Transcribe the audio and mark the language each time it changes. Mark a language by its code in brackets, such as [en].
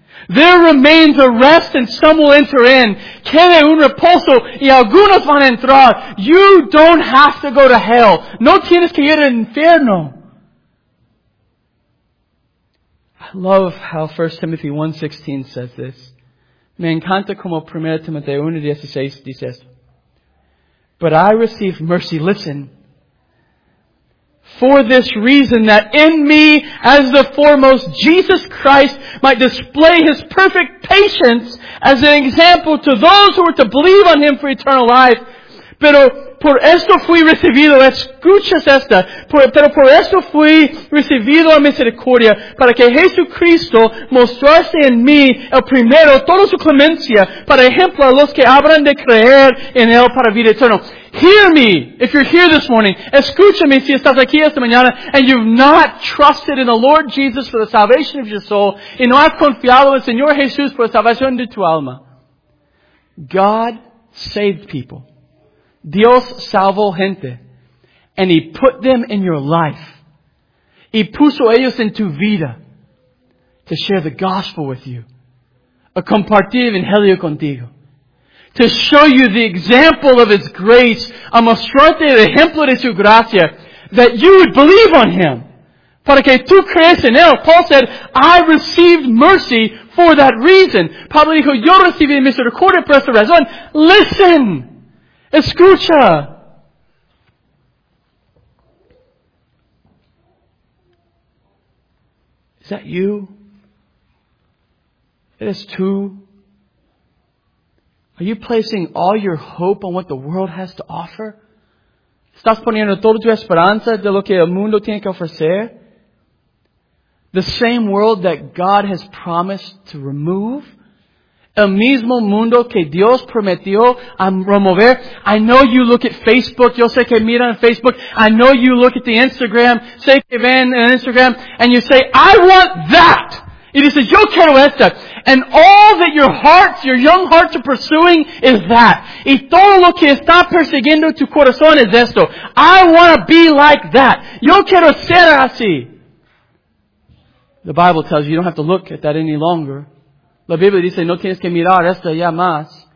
[en] There remains a rest and some will enter in. [es] Queda un reposo y algunos van a entrar. [en] You don't have to go to hell. [es] No tienes que ir al infierno. [en] I love how 1 Timothy 1:16 says this. [es] Me encanta como 1 Timoteo 1:16 dice esto. [en] But I receive mercy. Listen. For this reason, that in me, as the foremost, Jesus Christ might display His perfect patience as an example to those who were to believe on Him for eternal life. [es] Pero por esto fui recibido, escuchas esta, pero por esto fui recibido a misericordia, para que Jesucristo mostrase en mí el primero toda su clemencia, para ejemplo a los que habrán de creer en Él para vida eterna. [en] Hear me, if you're here this morning. [es] Escúchame si estás aquí esta mañana [en] and you've not trusted in the Lord Jesus for the salvation of your soul [es] y no has confiado en el Señor Jesús por la salvación de tu alma. [en] God saved people. [es] Dios salvó gente. [en] And He put them in your life. [es] Y puso ellos en tu vida [en] to share the gospel with you. [es] A compartir el evangelio contigo. [en] To show you the example of His grace, [es] a mostrarte el ejemplo de su gracia, [en] that you would believe on Him. [es] Para que tú creas en Él. [en] Paul said, I received mercy for that reason. [es] Pablo dijo, yo recibí misericordia por esa razón. [en] Listen! [es] Escucha! [en] Is that you? It is too. Are you placing all your hope on what the world has to offer? [es] ¿Estás poniendo toda tu esperanza de lo que el mundo tiene que ofrecer? [en] The same world that God has promised to remove? [es] El mismo mundo que Dios prometió a remover? [en] I know you look at Facebook. [es] Yo sé que miran Facebook. [en] I know you look at the Instagram. [es] Sé que ven en Instagram. [en] And you say, I want that! [es] Y dices, yo quiero esta. [en] And all that your hearts, your young hearts are pursuing is that. [es] Y todo lo que está persiguiendo tu corazón es esto. [en] I want to be like that. [es] Yo quiero ser así. [en] The Bible tells you, you don't have to look at that any longer. [es] La Biblia dice, no tienes que mirar esto ya más.